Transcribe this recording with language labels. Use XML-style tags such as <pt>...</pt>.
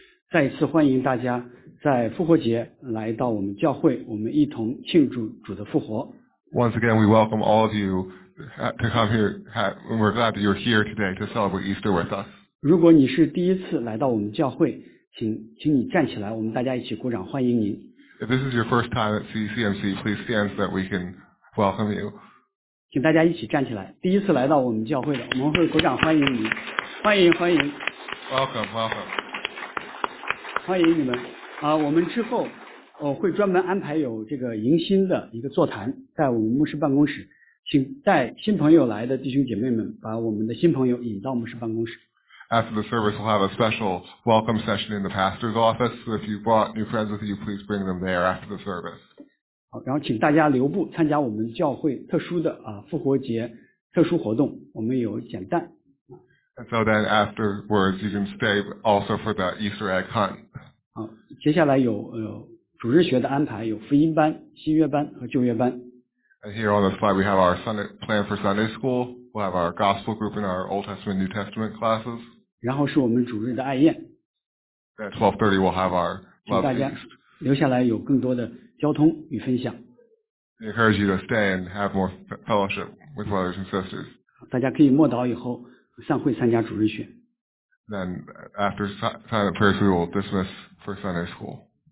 <zh>再次欢迎大家在复活节来到我们教会，我们一同庆祝主的复活。</zh> <en>Once again, we welcome all of you to come here, and we're glad that you're here today to celebrate Easter with us.</en> <zh>如果你是第一次来到我们教会，请你站起来，我们大家一起鼓掌欢迎您。</zh> <en>If this is your first time at CCMC, please stand so that we can welcome you.</en> <zh>请大家一起站起来，第一次来到我们教会的，我们会鼓掌欢迎您，欢迎欢迎。</zh> <en>Welcome, welcome.</en> <zh>欢迎你们啊！我们之后会专门安排有这个迎新的一个座谈，在我们牧师办公室，请带新朋友来的弟兄姐妹们把我们的新朋友引到牧师办公室。</zh> <en>After the service, we'll have a special welcome session in the pastor's office. So if you brought new friends with you, please bring them there after the service.</en> <zh>好，然后请大家留步参加我们教会特殊的啊复活节特殊活动，我们有简单。</zh> <en>And so then afterwards, you can stay also for the Easter egg hunt.</en> <zh>好，接下来有主日学的安排，有福音班、新约班和旧约班。</zh> <en>And here on the slide, we have our Sunday plan for Sunday school. We'll have our gospel group and our Old Testament, New Testament classes.</en> <zh>然后是我们主日的爱宴。</zh> <en>At 12:30, we'll have our love feast.</en> <zh>大家留下来有更多的交通与分享。</zh> <en>We encourage you to stay and have more fellowship with brothers and sisters.</en> <zh>大家可以默祷以后。散会参加主日学。</zh> <en>Then after silent prayers, we will dismiss for Sunday school.</en>